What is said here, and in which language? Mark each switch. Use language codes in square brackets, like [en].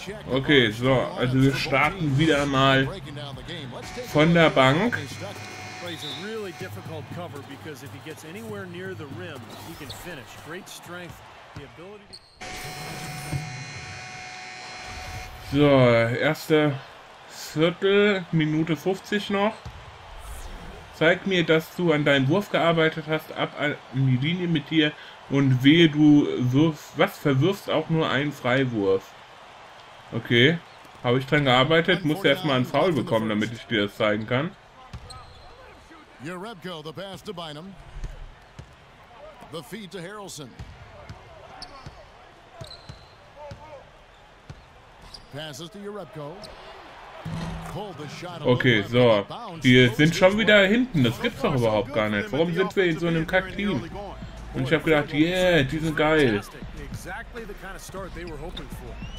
[de] Okay, so, also wir starten wieder mal von der Bank. [en] Plays a really difficult cover because if he gets anywhere near the rim, he can finish. Great strength, the ability to... [de] So, erste Viertel, Minute 50 noch. Zeig mir, dass du an deinem Wurf gearbeitet hast, ab an die Linie mit dir und wehe, du wirfst, was verwirfst auch nur einen Freiwurf. Okay, habe ich dran gearbeitet, muss erstmal einen Foul bekommen, damit ich dir das zeigen kann. [en] Jerebko, the pass to Bynum. The feed to Harrelson. Passes to Jerebko. Pulled the shot. Okay, so. [de] Wir sind schon wieder hinten. Das gibt's doch überhaupt gar nicht. Warum sind wir in so einem Kack-Team? Und ich habe gedacht, yeah, die sind geil. [en] Exactly the kind of start they were hoping for.